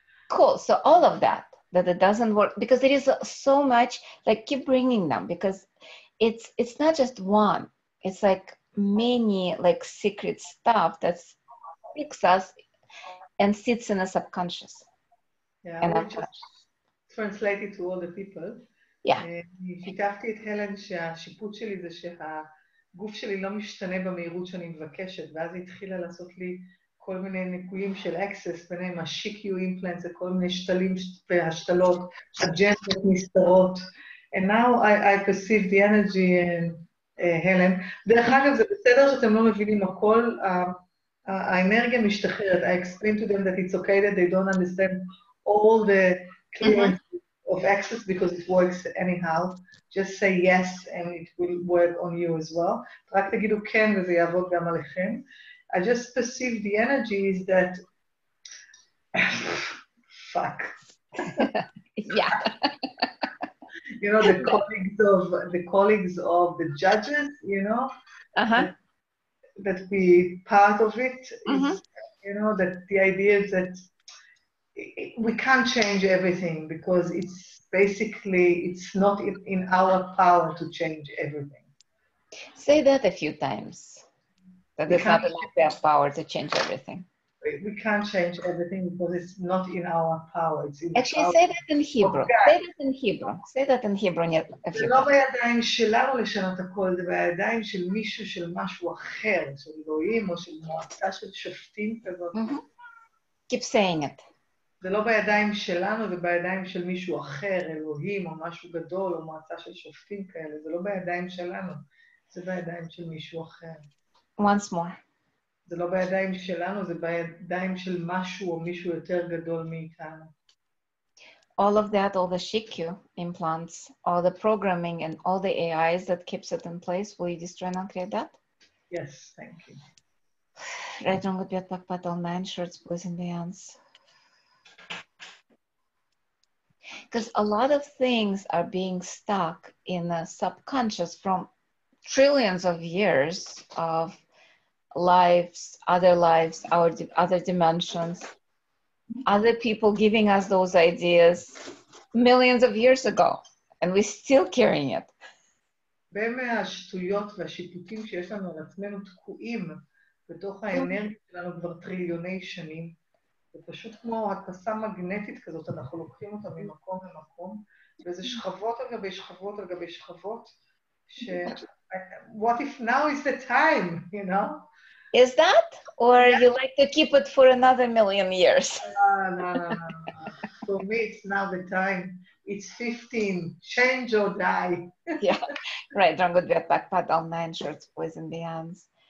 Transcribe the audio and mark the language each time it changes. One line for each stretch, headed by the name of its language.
English: Cool, so all of that it doesn't work, because there is so much, like keep bringing them, because it's not just one, it's like many like secret stuff that sticks us and sits in the subconscious. Yeah, we just translate it to all the people. Yeah.
Hebrew: שיתפתי את הלן שהשיפוט שלי זה שה... גוף שלי לא משתנה במהירות שאני מבקשת, ואז היא התחילה לעשות לי כל מיני ניקויים של access, ביניהם השיקיו אימפלנט, זה כל מיני שתלים והשתלות, אג'נדות נסתרות.
English: And now I perceive the energy in Helen.
Hebrew: דרך אגב, זה בסדר שאתם לא מבינים הכל, האנרגיה משתחררת.
English: I explain to them that it's okay that they don't understand all the clearance. Of access, because it works anyhow. Just say yes, and it will work on you as well.
Hebrew: רק תגידו כן, וזה יעבוד גם עליכם.
English: I just perceive the energy is that... Fuck. Yeah. You know, the colleagues of the judges, you know? Uh-huh. That we part of it. Is, uh-huh. You know, that the idea is that we can't change everything because it's basically, it's not in our power to change everything. Say that a few times. That it's not in our power to change everything. We can't change everything because it's not in our power. It's in actually, power. Say that in Hebrew. Okay. Say that in Hebrew. Say that in Hebrew.
Hebrew: זה לא בידיים שלנו לשנות הכל, זה בידיים של מישהו, של משהו אחר, של אלוהים או של מועצה של שופטים כזאת.
English: Keep saying it.
Hebrew: זה לא בידיים שלנו, זה בידיים של מישהו אחר, אלוהים או משהו גדול או מועצה של שופטים כאלה. זה לא בידיים שלנו, זה בידיים של מישהו אחר.
English: Once more.
Hebrew: זה לא בידיים שלנו, זה בידיים של משהו או מישהו יותר גדול מאיתנו.
English: All of that, all the Shikyu implants, all the programming and all the AIs that keeps it in place, will you destroy and uncreate that? Yes, thank you. Right wrong with Biotpak Patel, nine shirts, boys and beyonds. Because a lot of things are being stuck in the subconscious from trillions of years of lives, other lives, our other dimensions, other people giving us those ideas millions of years ago, and we're still carrying it.
Hebrew: מהשטויות והשיפוטים שיש לנו על עצמנו תקועים בתוך האנרגיה שלנו כבר טריליוני שנים, זה פשוט כמו הדפסה מגנטית כזאת, אנחנו לוקחים אותה ממקום למקום, וזה שכבות על גבי שכבות על גבי שכבות, ש...
English: What if now is the time, you know? Is that, or yeah. You like to keep it for another million years? No. For me, it's now the time. It's 15. Change or die. Yeah, right. Drunk with Biotpak Patel, nine shirts, boys and beyonds.